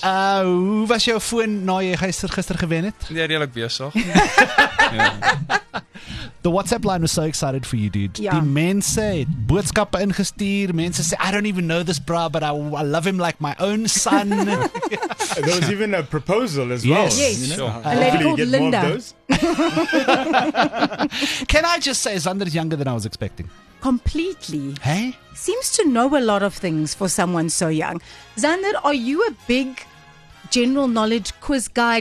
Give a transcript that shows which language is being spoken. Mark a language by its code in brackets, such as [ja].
[af] Hoe was jou foon na jy gister gewen het? Nee, redelijk besig. [en] The WhatsApp line was so excited for you, dude. [af] Ja. Die mense het boodskappe ingestuur. Mense sê, [en] I don't even know this bra, but I love him like my own son. There was even a proposal as yes. well. Yes, you know? Sure. A lady called Linda. Can I just say, Zander is younger than I was expecting. Completely. Hey? Seems to know a lot of things for someone so young. Zander, are you a big general knowledge quiz guy?